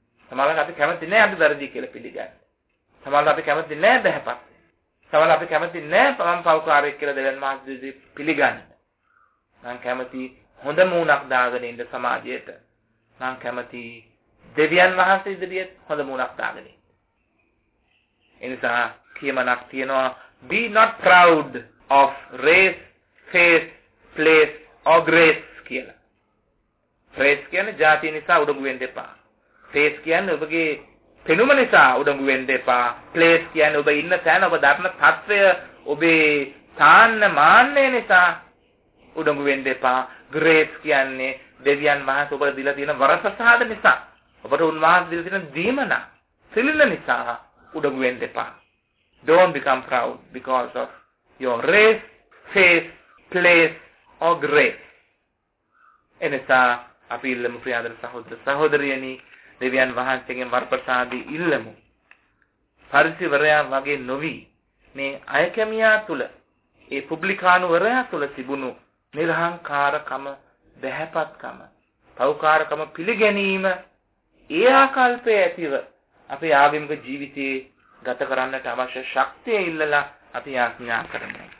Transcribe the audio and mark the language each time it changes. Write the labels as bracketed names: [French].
[Sinhala] සමහරවිට අපි කැමති නෑ අපි වැරදි කියලා පිළිගන්න. සමහරවිට අපි කැමති නෑ බහැපත්. සමහරවිට අපි කැමති නෑ තමන් පෞකාරයක් කියලා දෙවියන් වහන්සේ පිළිගන්න. මම කැමති හොඳ මූණක් දාගෙන ඉන්න සමාජයට. මම කැමති දෙවියන් වහන්සේ ඉදිරියේ හොඳ මූණක් දාගෙන ඉන්න. එනිසා කියමනක් තියනවා [English] be not proud of race, faith, place or grace [Sinhala] කියලා. race කියන්නේ ජාතිය නිසා උඩඟු වෙන්න එපා. face කියන්නේ ඔබගේ පෙනුම නිසා උඩඟු වෙන්න එපා. place කියන්නේ ඔබ ඉන්න තැන, ඔබ ධර්ම තත්වය, ඔබේ තාන්න මාන්නය නිසා උඩඟු වෙන්න එපා. grace කියන්නේ දෙවියන් වහන්සේ ඔබට දීලා තියෙන වරසසාද නිසා, ඔබට උන්වහන්සේ දීලා තියෙන දීමන, සිලින නිසා උඩඟු වෙන්න එපා. [English] don't become proud because of your race, faith, place or grace. [Sinhala] එනිසා අපි ඉල්ලමු ප්‍රියදර සහෝදර සහෝදරියනි, දෙවියන් වහන්සේගෙන් වරප්‍රසාදී ඉල්ලමු. පරිසිවරයා වගේ නොවි මේ අයකමියා තුල, ඒ පුබ්ලිකානුවරයා තුල තිබුණු නිර්හංකාරකම, බහැපත්කම, පෞකාරකම පිළිගැනීම, ඒ ආකල්පය ඇතිව අපේ ආගමික ජීවිතයේ ගත කරන්නට අවශ්‍ය ශක්තිය ඉල්ලලා අපි ආඥා කරමු.